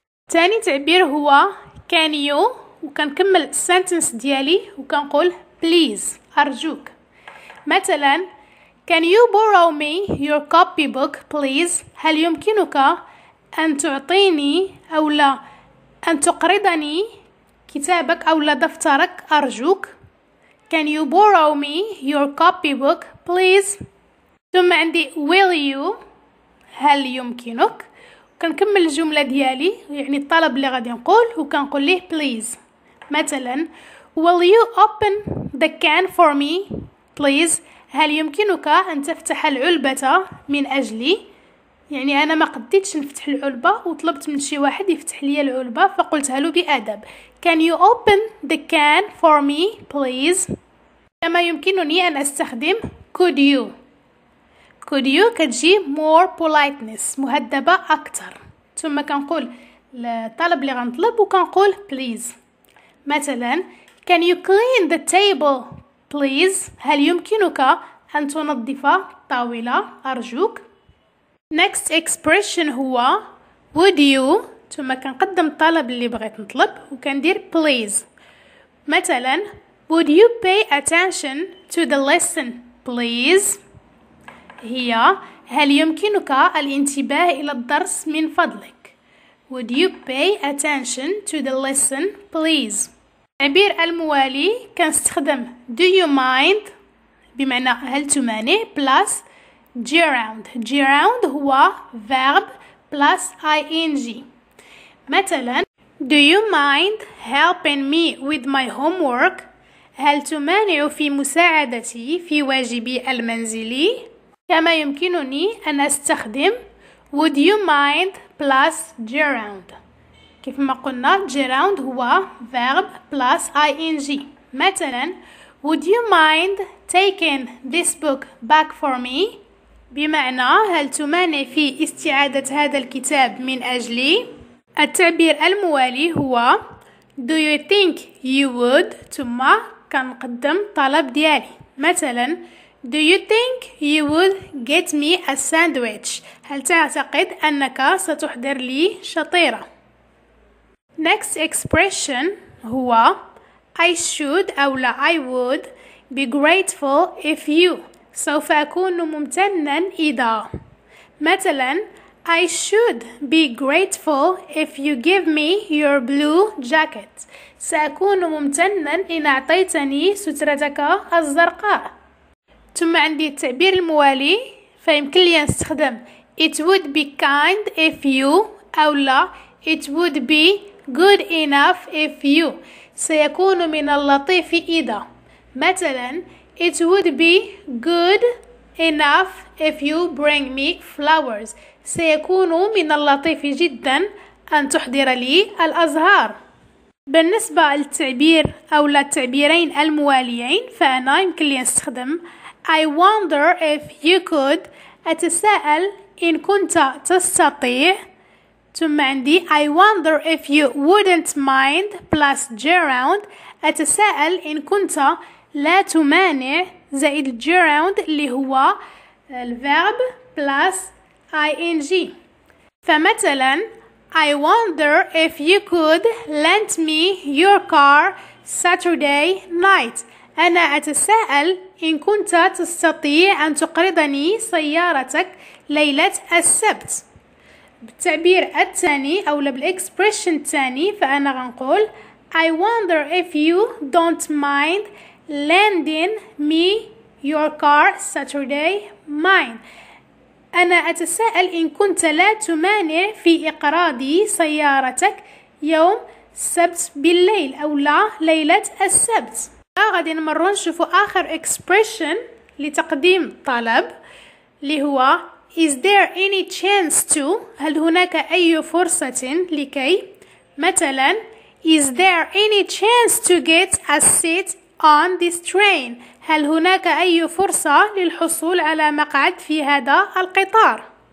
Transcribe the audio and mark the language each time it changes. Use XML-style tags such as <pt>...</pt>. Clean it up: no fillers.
<ar>ثاني تعبير هو كان يو, وكنكمل السنتنس ديالي وكنقول بليز ارجوك. مثلا</ar> <en>can you borrow me your copy book please,</en> <ar>هل يمكنك ان تعطيني او لا ان تقرضني كتابك او لا دفترك ارجوك.</ar> <en>Can you borrow me your copy book, please?</en> <ar>ثم عندي will you, هل يمكنك؟ كنكمل الجملة ديالي يعني الطلب اللي غادي نقول وكنقول ليه please. مثلا</ar> <en>will you open the can for me, please?</en> <ar>هل يمكنك أن تفتح العلبة من أجلي؟ يعني أنا ما قديتش نفتح العلبة وطلبت من شي واحد يفتح لي العلبة فقلتها له بأدب.</ar> <en>Can you open the can for me, please?</en> <ar>كما يمكنني أن أستخدم could you.</ar> <en>Could you</en> <ar>كتجي</ar> <en>more politeness,</en> <ar>مهدبة أكثر. ثم كنقول الطلب اللي غنطلب وكنقول please. مثلا</ar> <en>Can you clean the table, please?</en> <ar>هل يمكنك أن تنظف الطاولة أرجوك؟</ar> <en>Next expression</en> <ar>هو would you, ثم كنقدم الطلب اللي بغيت نطلب وكندير please. مثلا</ar> <en>would you pay attention to the lesson please,</en> <ar>هي هل يمكنك الانتباه الى الدرس من فضلك.</ar> <en>Would you pay attention to the lesson please.</en> <ar>تعبير الموالي كنستخدم</ar> <en>do you mind</en> <ar>بمعنى هل تمانع plus جيراوند. جيراوند هو</ar> <en>verb plus ing.</en> <ar>مثلا</ar> <en>Do you mind helping me with my homework?</en> <ar>هل تمانع في مساعدتي في واجبي المنزلي؟ كما يمكنني أن أستخدم</ar> <en>Would you mind plus gerund.</en> <ar>كيف ما قلنا gerund هو verb plus ing. مثلا</ar> <en>Would you mind taking this book back for me؟</en> <ar>بمعنى هل تمانع في استعادة هذا الكتاب من أجلي؟ التعبير الموالي هو</ar> <en>Do you think you would؟</en> <ar>ثم كنقدم طلب ديالي.</ar> <en>مثلا Do you think you would get me a sandwich؟</en> <ar>هل تعتقد أنك ستحضر لي شطيرة؟</ar> <en>Next expression هو I should أو لا I would be grateful if you,</en> <ar>سوف أكون ممتنا إذا.</ar> <en>مثلا I should be grateful if you give me your blue jacket,</en> <ar>سأكون ممتنا إن أعطيتني سترتك الزرقاء. ثم عندي التعبير الموالي فيمكن لي أن استخدم</ar> <en>It would be kind if you,</en> <ar>أو لا</ar> <en>It would be good enough if you,</en> <ar>سيكون من اللطيف إذا.</ar> <en>مثلا It would be good enough if you bring me flowers,</en> <ar>سيكون من اللطيف جدا أن تحضر لي الأزهار. بالنسبة للتعبير أو للتعبيرين المواليين فأنا يمكن لي استخدم</ar> <en>I wonder if you could,</en> <ar>أتساءل إن كنت تستطيع. ثم عندي</ar> <en>I wonder if you wouldn't mind plus gerund.</en> <ar>أتساءل إن كنت لا تمانع زائد gerund اللي هو الverb plus ing.</ar> <en>فمثلا I wonder if you could lend me your car Saturday night.</en> <ar>أنا أتساءل إن كنت تستطيع أن تقرضني سيارتك ليلة السبت. بالتعبير الثاني أو بالإكسبريشن الثاني فأنا غنقول</ar> <en>I wonder if you don't mind lending me your car Saturday mine.</en> <ar>أنا أتساءل إن كنت لا تمانع في إقراضي سيارتك يوم السبت بالليل أو لا ليلة السبت. غادي نمروا نشوفوا آخر إكسبريشن لتقديم طلب اللي هو</ar> <en>Is there any chance to؟</en> <ar>هل هناك أي فرصة لكي؟ مثلا</ar> <en>Is there any chance to get a seat on this train؟</en> <ar>هل هناك أي فرصة للحصول على مقعد في هذا القطار؟</ar>